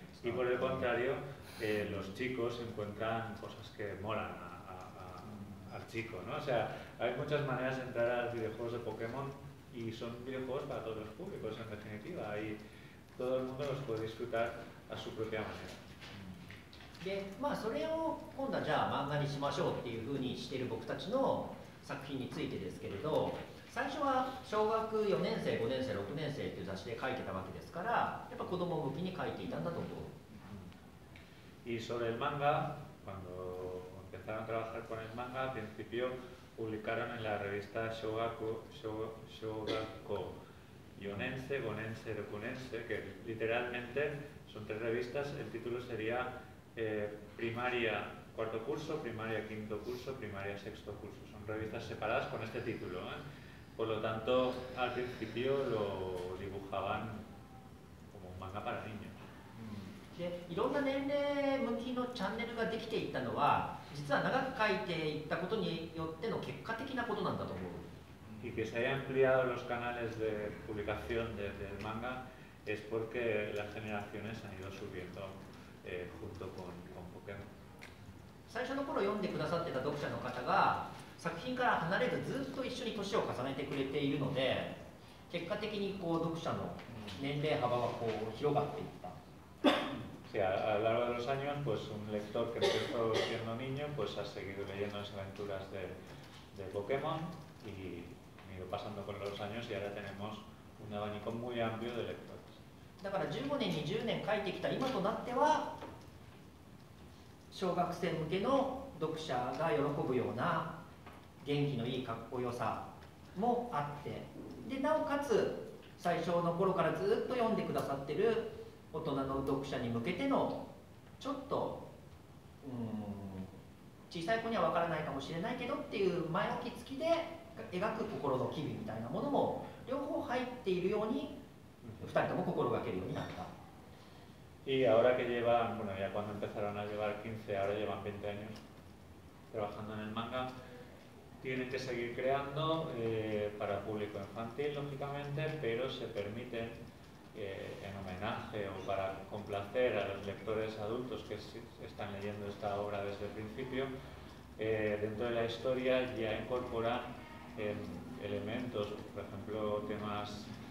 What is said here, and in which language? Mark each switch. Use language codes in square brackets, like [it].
[es] Y por el contrario, los chicos encuentran cosas que molan al chico, ¿no? O sea, hay muchas maneras de entrar a los videojuegos de Pokémon y son videojuegos para todos los públicos, en definitiva. Y todo el mundo los puede disfrutar a su propia manera. [ja] で、まあ、それを今度はじゃあ漫画にしましょうっていうふうにしている僕たちの作品についてですけれど、最初は小学4年生、5年生、6年生という雑誌で書いてたわけですから、やっぱ子供向きに書いていたんだと思う。 [es] Y sobre el manga, cuando empezaron a trabajar con el manga, al principio publicaron en la revista Shogaku Yonense, Gonense, Rokunense, que literalmente son tres revistas, el título sería primaria cuarto curso, primaria quinto curso, primaria sexto curso. Son revistas separadas con este título, ¿eh? Por lo tanto, al principio lo dibujaban como un manga para niños. [ja] でいろんな年齢向きのチャンネルができていったのは実は長く書いていったことによっての結果的なことなんだと思う。 [es] Y que se hayan ampliado los canales de publicación del manga es porque las generaciones han ido subiendo junto con Pokémon. [ja] 最初の頃読んでくださってた読者の方が作品から離れずずっと一緒に年を重ねてくれているので結果的にこう読者の年齢幅がこう広がっていった。 [es] Sí, a lo largo de los años, pues un lector que empezó siendo niño, pues ha seguido leyendo las aventuras de Pokémon y ha ido pasando con los años y ahora tenemos un abanico muy amplio de lectores. [ja] だから15年、20年書いてきた今となっては、小学生向けの読者が喜ぶような元気のいいかっこよさもあって、でなおかつ最初の頃からずっと読んでくださってる大人の読者に向けてのちょっと小さい子には分からないかもしれないけどっていう前置き付きで描く心の機微みたいなものも両方入っているように2人とも心がけるようになった。 [es] Y ahora que llevan, bueno, ya cuando empezaron a llevar 15, ahora llevan 20 años trabajando en el manga, tienen que seguir creando para público infantil, lógicamente, pero se permiten, en homenaje o para complacer a los lectores adultos que están leyendo esta obra desde el principio, dentro de la historia ya incorporan elementos, por ejemplo, temas,